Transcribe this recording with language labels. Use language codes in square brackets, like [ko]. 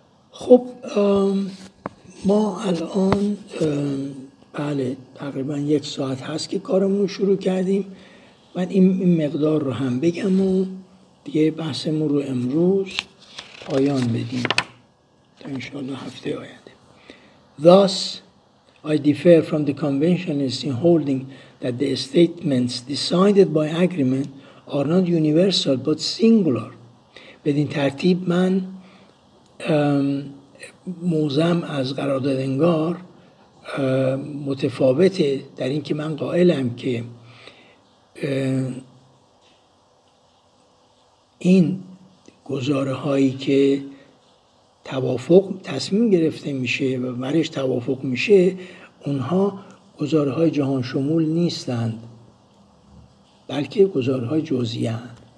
[fa] خب ما الان بله تقریبا یک ساعت هست که کارمون شروع کردیم. من این مقدار رو هم بگم و دیگه بحثمون رو امروز پایان بدیم تا انشاءالله هفته آینده. [en] Thus I differ from the conventionalists in holding that the statements decided by agreement are not universal but singular. [fa] بدین ترتیب من موزم از قرارداد انگار متفاوته، در این که من قائلم که این گزاره هایی که توافق تصمیم گرفته میشه و برش توافق میشه، اونها گزاره های جهان شمول نیستند، بلکه گزاره‌های جزئی‌اند.